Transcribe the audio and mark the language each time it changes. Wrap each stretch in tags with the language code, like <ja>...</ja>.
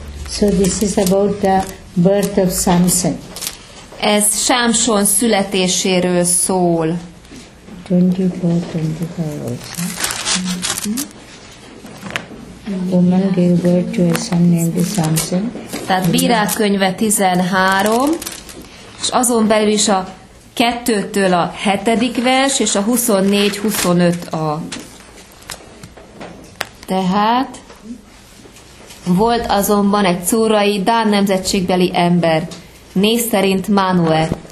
<en>So this is about the birth of Samson.</en> <hu>Ez Sámson születéséről szól.</hu> <en>24-25 also. Woman gave birth to a son named Samson.</en> <hu>Tehát Bírák könyve 13, és azon belül is a 2-től a 7. vers, és a 24-25 a... Tehát... Volt azonban egy córai dán nemzetségbeli ember, név szerint Mánuel.</hu>